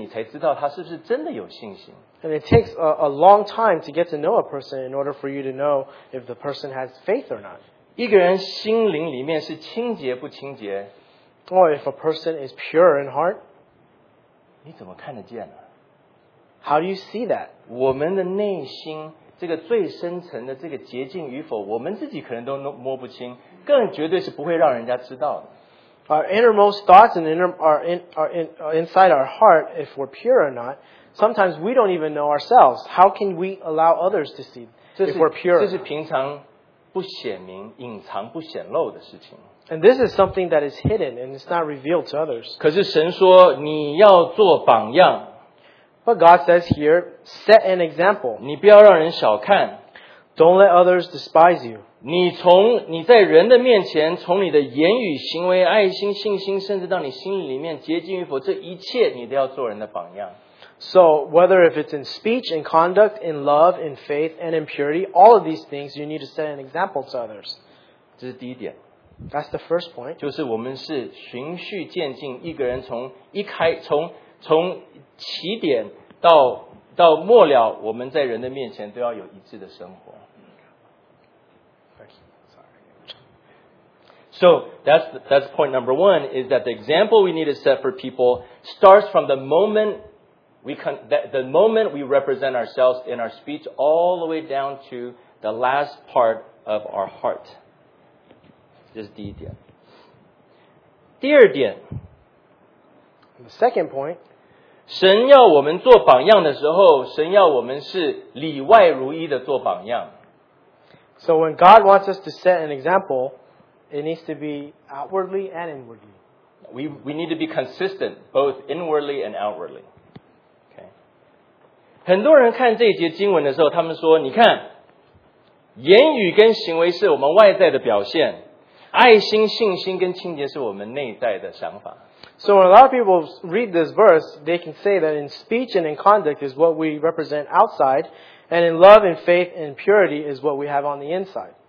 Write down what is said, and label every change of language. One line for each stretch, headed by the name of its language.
Chinese: 你要经年累月的去对这个人的生活有认识，你才知道他是不是真的有信心。
English: And it takes a long time to get to know a person in order for you to know if the person has faith or not.
Chinese: 一个人心灵里面是清洁不清洁。
English: Or if a person is pure in heart,
Chinese: 你怎么看得见呢?
English: How do you see that?
Chinese: 我们的内心,这个最深层的这个洁净与否, 我们自己可能都摸不清, 更绝对是不会让人家知道的。
English: Our innermost thoughts and inside our heart, if we're pure or not, sometimes we don't even know ourselves. How can we allow others to see if we're pure?
Chinese: 这是平常不显明,隐藏不显露的事情。
English: And this is something that is hidden and it's not revealed to others.
Chinese: 可是神说你要做榜样,
English: but God says here, set an example.
Chinese: 你不要让人小看,
English: don't let others despise you.
Chinese: 你在人的面前, 从你的言语、行为、爱心、信心, 甚至到你心里面洁净与否, 这一切你都要做人的榜样。
English: So whether if it's in speech, in conduct, in love, in faith, and in purity, all of these things you need to set an example to others.
Chinese: 这是第一点。
English: That's the first point.
Chinese: 就是我们是循序渐进，一个人从一开从起点到末了，我们在人的面前都要有一致的生活。
English: So that's point number one, is that the example we need to set for people starts from the moment we represent ourselves in our speech all the way down to the last part of our heart.
Chinese: 这是第一点。第二点。
English: The second point.
Chinese: 神要我们做榜样的时候，神要我们是里外如一的做榜样。
English: So when God wants us to set an example, it needs to be outwardly and inwardly. We need to be consistent, both inwardly and outwardly.
Chinese: 很多人看这一节经文的时候，他们说：“你看，言语跟行为是我们外在的表现，爱心、信心跟清洁是我们内在的想法。”
English: So when a lot of people read this verse, they can say that in speech and in conduct is what we represent outside, and in love and faith and purity is what we have on the inside.